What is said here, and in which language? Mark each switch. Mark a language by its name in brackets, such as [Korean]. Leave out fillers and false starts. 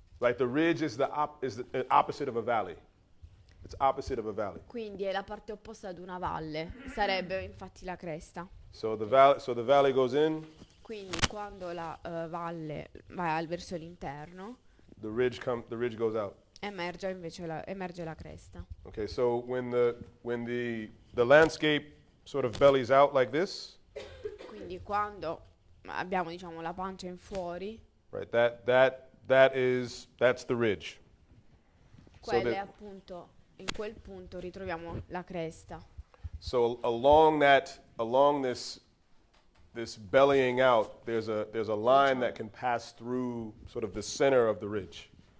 [English] Like the ridge is the opposite of a valley. It's opposite of a valley. [Italian] Quindi è la parte opposta ad una valle. Sarebbe infatti la cresta. [English] So the valley. So the valley goes in. [Italian] Quindi quando la valle va al verso l'interno. [English] The ridge come. The ridge goes out. [Italian] Emerge invece la cresta. [English] Okay, so when the landscape sort of bellies out like this. [Italian] Quindi quando abbiamo diciamo la pancia in fuori. [English] Right, that's the ridge. [Italian] Quella so è appunto in quel punto ritroviamo la cresta. [English] So along this bellying out, there's a line [Italian] diciamo [English] that can pass through sort of the center of the ridge.